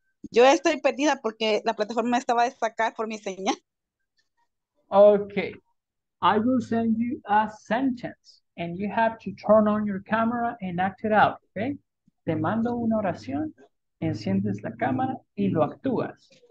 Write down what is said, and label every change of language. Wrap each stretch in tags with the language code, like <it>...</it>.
<es>Yo estoy perdida porque la plataforma estaba destacada por mi señal.</es> <en>Okay. I will send you a sentence. And you have to turn on your camera and act it out, okay?</en> <es>Te mando una oración, enciendes la cámara y lo actúas.</es>